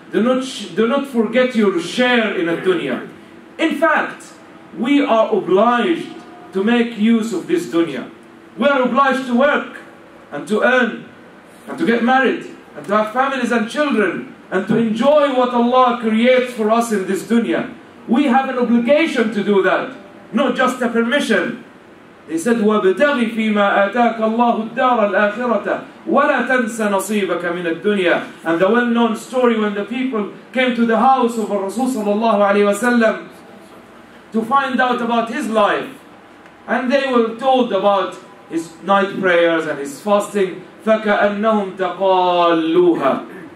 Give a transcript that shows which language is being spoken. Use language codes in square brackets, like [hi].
[en] Do not forget your share in the dunya. In fact, we are obliged to make use of this dunya. We are obliged to work and to earn and to get married and to have families and children and to enjoy what Allah creates for us in this dunya. We have an obligation to do that, not just a permission. He said, [ar] وَابْتَغِ فِي مَا آتَاكَ اللَّهُ الدَّارَ الْآخِرَةَ وَلَا تَنْسَ نَصِيبَكَ مِنَ الدُّنْيَا. [en] And the well-known story when the people came to the house of Rasul sallallahu alayhi wa sallam to find out about his life. And they were told about his night prayers and his fasting. [ar] فَكَأَنَّهُمْ تَقَالُّوهَا.